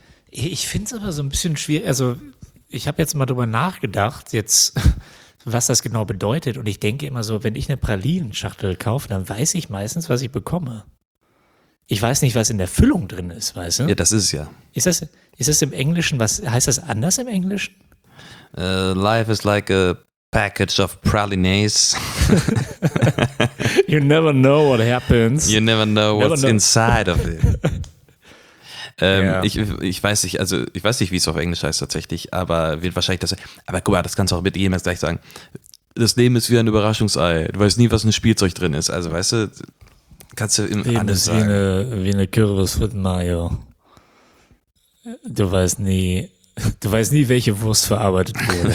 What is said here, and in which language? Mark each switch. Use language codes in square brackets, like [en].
[de] Ich finde es aber so ein bisschen schwierig, also ich habe jetzt mal drüber nachgedacht, jetzt, was das genau bedeutet, und ich denke immer so, wenn ich eine Pralinen-Schachtel kaufe, dann weiß ich meistens, was ich bekomme. Ich weiß nicht, was in der Füllung drin ist, weißt du? Ja, das ist ja. Ist das im Englischen, was heißt das anders im Englischen? [en] Life is like a package of pralines. You never know what happens. You never know what's inside of it. [de] Ich weiß nicht, also ich weiß nicht, wie es auf Englisch heißt tatsächlich, aber wird wahrscheinlich das. Aber guck mal, das kannst du auch mit jemals gleich sagen. Das Leben ist wie ein Überraschungsei. Du weißt nie, was ein Spielzeug drin ist. Also weißt du. Kannst du im Leben anders ist sagen. Wie eine Kürbis mit Mayo. Du weißt nie, welche Wurst verarbeitet wurde.